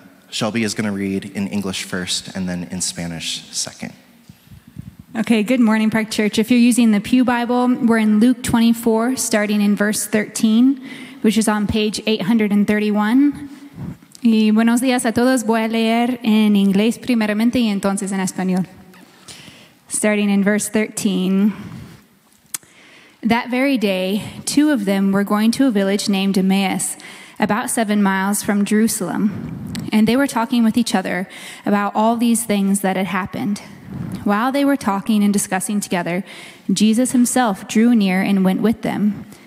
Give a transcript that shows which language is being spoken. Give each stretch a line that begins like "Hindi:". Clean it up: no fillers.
English: Shelby is going to read in English first and then in Spanish second. Okay, good morning, Park Church. If you're using the Pew Bible, we're in Luke 24, starting in verse 13, which is on page 831.
Spanish: Y buenos días a todos. Voy a leer en inglés primeramente y entonces en español.
English: Starting in verse 13. That very day, two of them were going to a village named Emmaus, about 7 miles from Jerusalem. And they were talking with each other about all these things that had happened. While they were talking and discussing together, Jesus himself drew near and went with them.